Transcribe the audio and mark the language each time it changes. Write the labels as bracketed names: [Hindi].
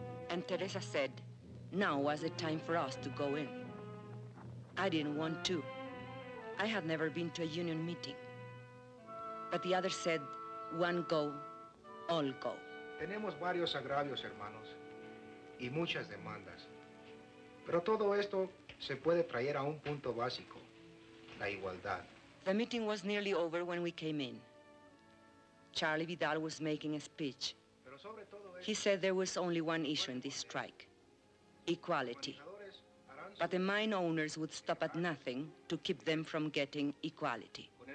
[English] And Teresa said, now was the time for us to go in. I didn't want to. I had never been to a union meeting. But the others said, one go, all go. [Spanish] Tenemos varios agravios, hermanos, y muchas demandas. Pero todo esto se puede traer a un punto básico, la igualdad. [English] The meeting was nearly over when we came in. Charlie Vidal was making a speech. He said there was only one issue in this strike, equality. But the mine owners would stop at nothing to keep them from getting equality.